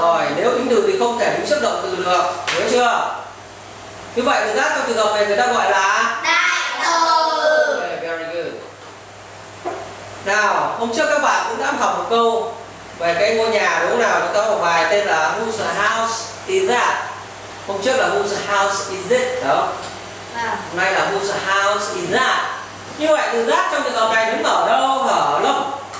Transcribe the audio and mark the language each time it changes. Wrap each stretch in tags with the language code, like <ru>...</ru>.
<vi>Rồi, nếu tính từ thì không thể đứng trước động từ được, nhớ chưa? Như vậy từ that trong trường hợp này người ta gọi là? Đại từ.</vi> <en>Okay, very good.</en> <vi>Nào, hôm trước các bạn cũng đã học một câu về cái ngôi nhà đúng không nào? Chúng ta học bài tên là</vi> <en>Who's the House? Is that?</en> <vi>Hôm trước là</vi> <en>whose house is it? Đó. Wow.</en> <vi>Hôm nay là</vi> <en>whose house is that?</en> <vi>Như vậy từ that trong trường hợp này đứng ở đâu hả Lâm?</vi>